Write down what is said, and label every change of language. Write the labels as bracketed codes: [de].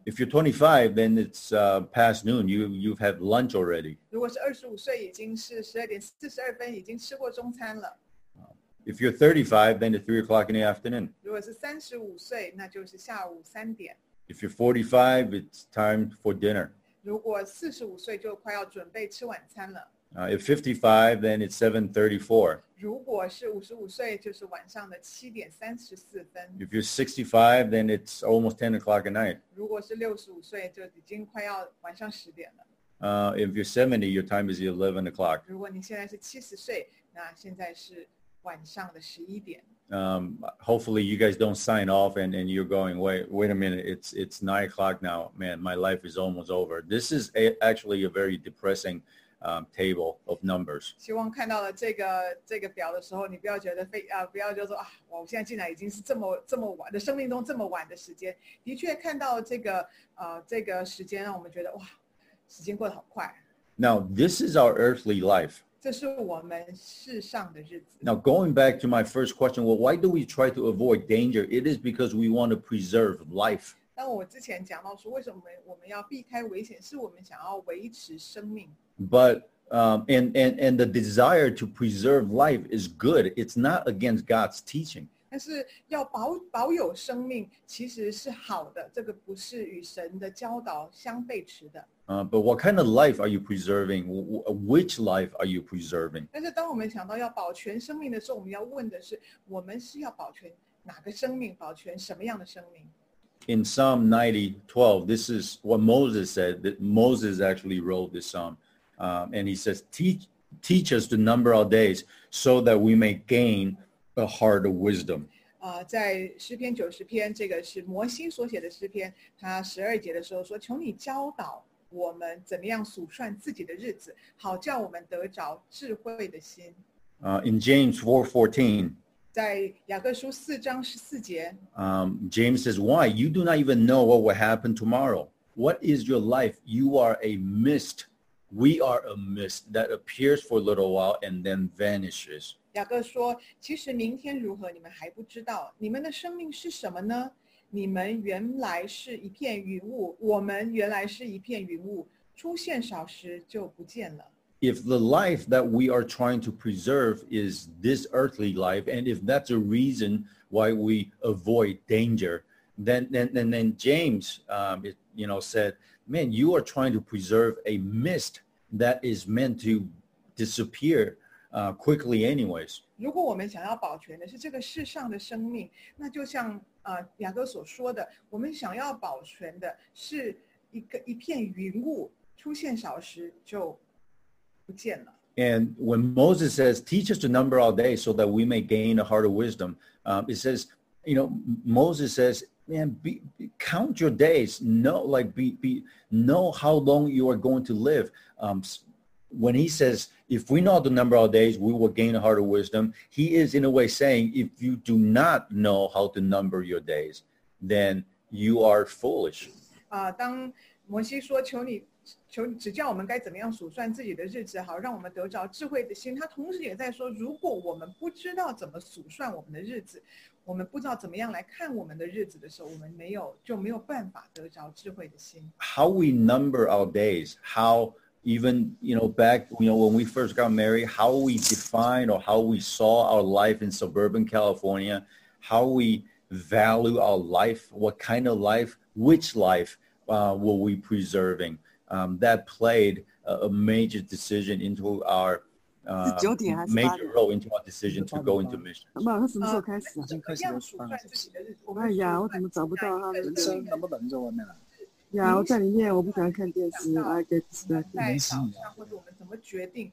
[en] If you're 25, then it's past noon, you've had lunch already. [zh] 如果是25岁，已经是12点42分，已经吃过中餐了。 [en] If you're 35, then it's 3 o'clock in the afternoon. [zh] 如果是35岁，那就是下午3点。 [en] If you're 45, it's time for dinner. [zh] 如果45岁就快要准备吃晚餐了。 [en] If 55, then it's 7:34. [zh] 如果是55岁就是晚上的7点34分。 [en] If you're 65, then it's almost 10 o'clock at night. [zh] 如果是65岁就已经快要晚上10点了。 [en] If you're 70, your time is 11 o'clock. [zh] 如果你现在是70岁，那现在是晚上的11点。 [en] Hopefully you guys don't sign off and you're going, wait a minute, it's 9 o'clock now, man, my life is almost over. This is actually a very depressing table of numbers. [zh] 希望看到了这个表的时候，你不要觉得不要就说啊，我现在进来已经是这么晚的生命中这么晚的时间。的确看到这个时间让我们觉得哇，时间过得好快。 [en] Now, this is our earthly life. [zh] 这是我们世上的日子。 [en] Now, going back to my first question, well, why do we try to avoid danger? It is because we want to preserve life. [zh] 当我之前讲到说为什么我们要避开危险，是我们想要维持生命。 [en] But, and the desire to preserve life is good. It's not against God's teaching. [zh] 但是要保有生命其实是好的，这个不是与神的教导相背驰的。 [en] But what kind of life are you preserving? Which life are you preserving? [zh] 但是当我们想到要保全生命的时候，我们要问的是，我们是要保全哪个生命，保全什么样的生命？ [en] In Psalm 90:12, this is what Moses said, that Moses actually wrote this psalm. And he says, teach us to number our days so that we may gain a heart of wisdom. [zh] 在诗篇90篇，这个是摩西所写的诗篇，他12节的时候说，求你教导。我们怎么样数算自己的日子，好叫我们得着智慧的心。 [en] In James 4:14, [zh] 在雅各书四章十四节 [en] James says, why? You do not even know what will happen tomorrow. What is your life? You are a mist. We are a mist that appears for a little while and then vanishes. [zh] 雅各说，其实明天如何，你们还不知道。你们的生命是什么呢？你们原来是一片云雾，我们原来是一片云雾，出现少时就不见了。 [en] If the life that we are trying to preserve is this earthly life, and if that's a reason why we avoid danger, then James, said, man, you are trying to preserve a mist that is meant to disappear, quickly anyways. [zh] 如果我们想要保全的是这个世上的生命，那就像雅各所说的，我们想要保全的是一片云雾，出现少时就。 [en] And when Moses says, teach us to number our days so that we may gain a heart of wisdom, it says, Moses says, man, count your days, know how long you are going to live. When he says, if we know the number of days, we will gain a heart of wisdom, he is in a way saying, if you do not know how to number your days, then you are foolish. [zh] 当摩西说求指教我们该怎么样数算自己的日子，好让我们得着智慧的心。他同时也在说，如果我们不知道怎么数算我们的日子，我们不知道怎么样来看我们的日子的时候，我们没有办法得着智慧的心。 [en] How we number our days, how even back when we first got married, how we define or how we saw our life in suburban California, how we value our life, what kind of life, which life were we preserving? That played a major decision into our major role into our decision to go into mission. [zh] 那么他什么时候开始？已经开始了，算了。哎呀，我怎么找不到他的？声音能不能在外面了？呀，我在里面，我不喜欢看电视。 [en] I get stuck. [zh] 在早上或者我们怎么决定？